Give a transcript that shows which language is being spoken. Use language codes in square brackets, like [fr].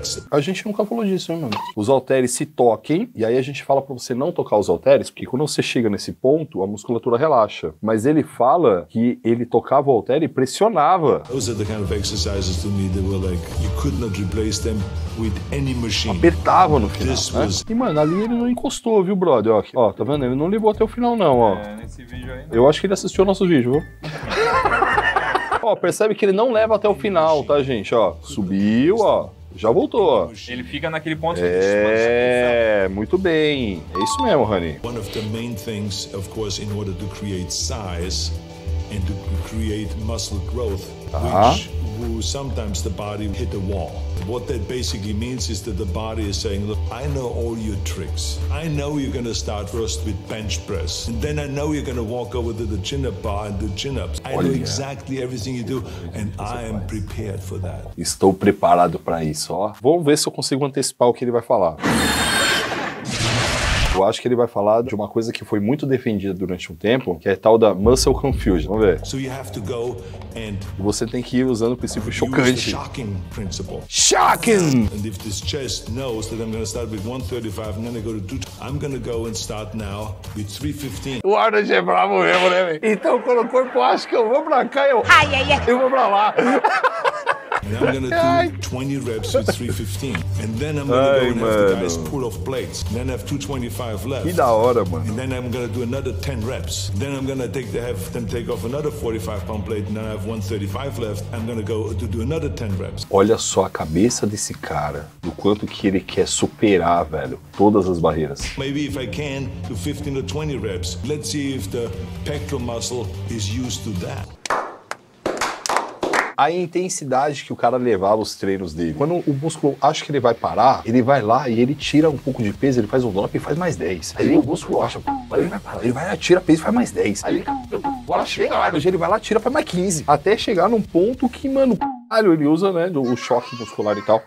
[pt] A gente nunca falou disso, hein, mano? Os halteres se toquem, e aí a gente fala pra você não tocar os halteres, porque quando você chega nesse ponto, a musculatura relaxa. Mas ele fala que ele tocava o halter e pressionava. [en] Those are the kind of exercises to me that were like, you could not replace them with any machine. [pt] Apertava no final, né? E, mano, ali ele não encostou, viu, brother? Ó, tá vendo? Ele não levou até o final, não, ó. É, nesse vídeo aí. Não. Eu acho que ele assistiu o nosso vídeo, viu? Ó, percebe que ele não leva até o final, tá, gente? Ó, subiu, ó. Já voltou, ó. Ele fica naquele ponto que muito bem. É isso mesmo, honey. [en] One of the main things, of course, in order to create size and to create muscle growth, which sometimes the body hit the wall. What that basically means is that the body is saying, look, I know all your tricks. I know you're gonna start first with bench press. And then I know you're gonna walk over to the chin-up bar and do chin-ups. I know exactly everything you do, and I am prepared for that. [pt] Estou preparado para isso, ó. Vamos ver se eu consigo antecipar o que ele vai falar. Eu acho que ele vai falar de uma coisa que foi muito defendida durante um tempo, que é a tal da muscle confusion. Vamos ver. [en] So you have to go and [pt] você tem que ir usando o princípio chocante. [en] Shocking principle. Shocking! And if this chest knows that I'm gonna start with 135 and then I go to 2, I'm gonna go and start now with 315. [pt] O Arnold é bravo mesmo, né, velho? Então quando o corpo acha que eu vou pra cá, eu. Ai, ai, ai. Eu vou pra lá. [en] And I'm gonna do 20 reps with 315. And then I'm gonna go and have the guys pull off plates. And then I have 225 left. [pt] Que da hora, mano. [en] And then I'm gonna do another 10 reps. And then I'm gonna have them take off another 45-pound plate. And then I have 135 left. I'm gonna go to do another 10 reps. [pt] Olha só a cabeça desse cara, do quanto que ele quer superar, velho, todas as barreiras. [en] Maybe if I can do 15 or 20 reps, let's see if the pectoral muscle is used to that. [pt] A intensidade que o cara levava os treinos dele. Quando o músculo acha que ele vai parar, ele vai lá e ele tira um pouco de peso, ele faz um drop e faz mais 10. Aí o músculo acha, ele vai parar. Ele vai, tira peso e faz mais 10. Aí bora chega lá. Hoje ele vai lá, tira, faz mais 15. Até chegar num ponto que, mano, ele usa, né, o choque muscular e tal.